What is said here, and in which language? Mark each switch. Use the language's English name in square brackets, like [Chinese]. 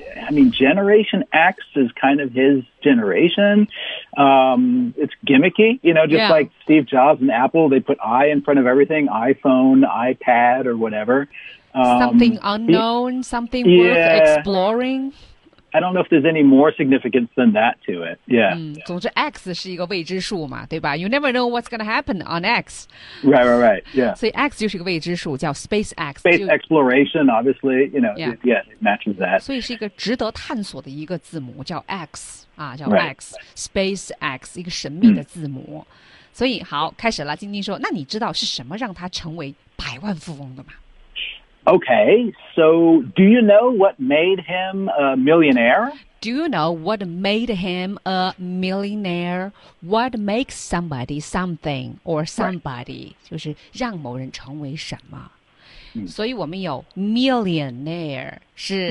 [English] I mean, Generation X is kind of his generation. It's gimmicky, you know, just like Steve Jobs and Apple, they put I in front of everything, iPhone, iPad, or whatever. Something unknown, something worth exploring. I don't know if there's any more significance than that to it. Yeah. [Chinese] 总之 X 是一个未知数嘛，对吧？ [English] You never know what's going to happen on X. Right, right, right. Yeah. [Chinese] 所以 X 就是一个未知数，叫 SpaceX. [English] Space exploration, obviously, you know, it matches that. [Chinese] 所以是一个值得探索的一个字母，叫 X, 啊，叫 X. [English] Right. [Chinese] SpaceX, 一个神秘的字母。所以好，开始了，晶晶说，那你知道是什么让他成为百万富翁的吗？ [English] Okay, so do you know what made him a millionaire? Do you know what made him a millionaire? What makes somebody something or somebody?、 Right. [Chinese] 就是让某人成为什么。所以我们有 millionaire 是、